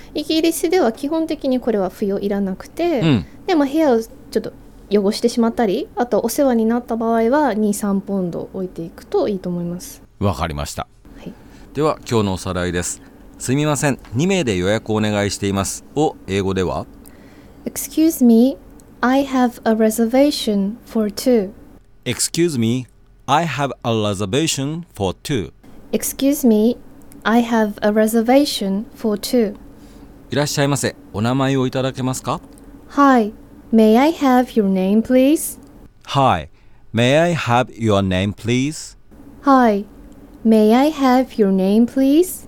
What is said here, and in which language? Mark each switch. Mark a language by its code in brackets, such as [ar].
[ja] イギリスでは基本的にこれは不要、いらなくて、うん、でも部屋をちょっと汚してしまったり、あとお世話になった場合は 2,3 ポンド置いていくといいと思います。わかりました。はい、では今日のおさらいです。すみません、2名で予約をお願いしていますを英語では [en] Excuse me, I have a reservation for two. Excuse me, I have a reservation for two. Excuse me, I have a reservation for two. [ja] いらっしゃいませ、お名前をいただけますか。 [en] Hi, may I have your name please? Hi, may I have your name please? Hi, may I have your name please?